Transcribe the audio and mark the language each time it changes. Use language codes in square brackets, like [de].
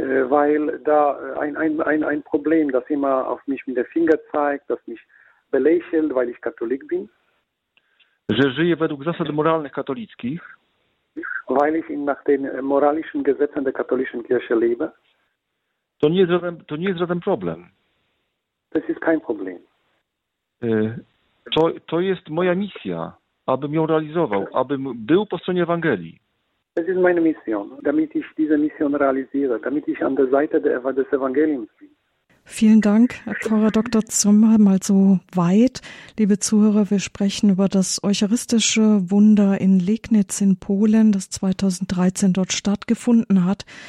[de] Weil da ein Problem, das immer auf mich mit der Finger zeigt, das mich belächelt, weil ich Katolik bin. [pl] Że żyję według zasad moralnych katolickich. [de] Weil ich nach den moralischen Gesetzen der katholischen Kirche lebe. [pl] To nie jest żaden problem. [de] Das ist kein Problem. [pl] To jest moja misja, abym ją realizował, abym był po stronie Ewangelii. [de] Das ist meine Mission, damit ich diese Mission realisiere, damit ich an der Seite des Evangeliums bin. Vielen Dank, Pfarrer Dr. Zummer, mal so weit. Liebe Zuhörer, wir sprechen über das eucharistische Wunder in Legnitz in Polen, das 2013 dort stattgefunden hat.